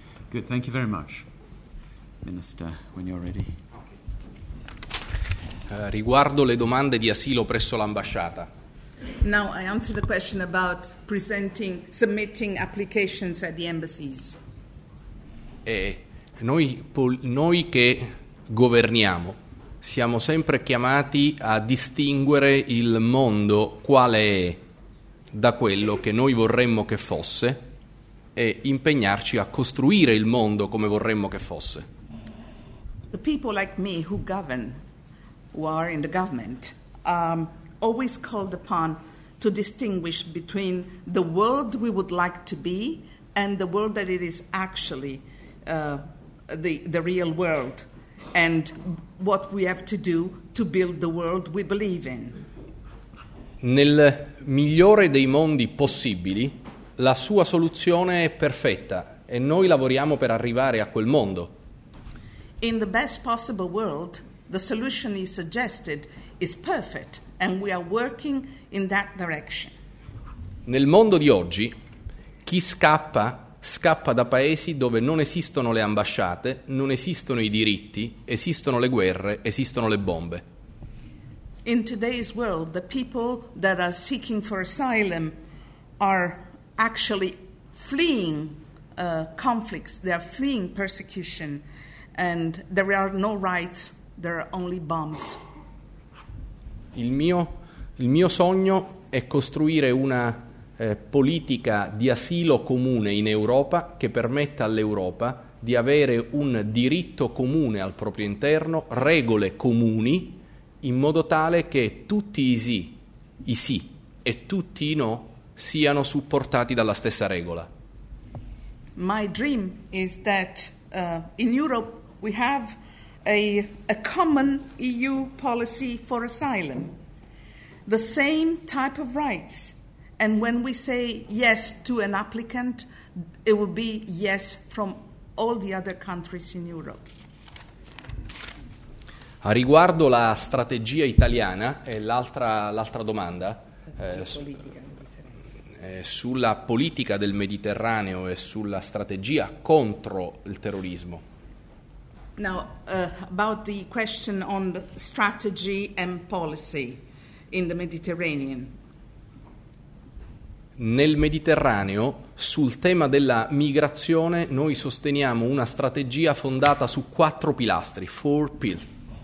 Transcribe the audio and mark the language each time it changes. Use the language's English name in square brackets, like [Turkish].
[English] Good, thank you very much. Minister, when you're ready. [Italian] Riguardo le domande di asilo presso l'ambasciata. [English] Now I answer the question about submitting applications at the embassies. [Italian] Noi che governiamo siamo sempre chiamati a distinguere il mondo quale è da quello che noi vorremmo che fosse e impegnarci a costruire il mondo come vorremmo che fosse. [English] The people like me who govern, who are in the government, always called upon to distinguish between the world we would like to be and the world that it is actually, the real world, and what we have to do to build the world we believe in. [Italian] Nel migliore dei mondi possibili, la sua soluzione è perfetta e noi lavoriamo per arrivare a quel mondo. [English] In the best possible world, the solution he suggested is perfect and we are working in that direction. [Italian] Nel mondo di oggi, chi scappa scappa da paesi dove non esistono le ambasciate, non esistono i diritti, esistono le guerre, esistono le bombe. [English] In today's world, the people that are seeking for asylum are actually fleeing conflicts, they are fleeing persecution, and there are no rights, there are only bombs. [Italian] Il mio sogno è costruire una politica di asilo comune in Europa che permetta all'Europa di avere un diritto comune al proprio interno, regole comuni, in modo tale che tutti i sì e tutti i no siano supportati dalla stessa regola. [English] My dream is that in Europe we have a common EU policy for asylum. The same type of rights, and when we say yes to an applicant, it will be yes from all the other countries in Europe. [Italian] A riguardo la strategia italiana è l'altra domanda sulla politica del Mediterraneo e sulla strategia contro il terrorismo. [English] Now about the question on the strategy and policy in the Mediterranean. [Italian] Nel Mediterraneo, sul tema della migrazione, noi sosteniamo una strategia fondata su quattro pilastri, [English] four pillars.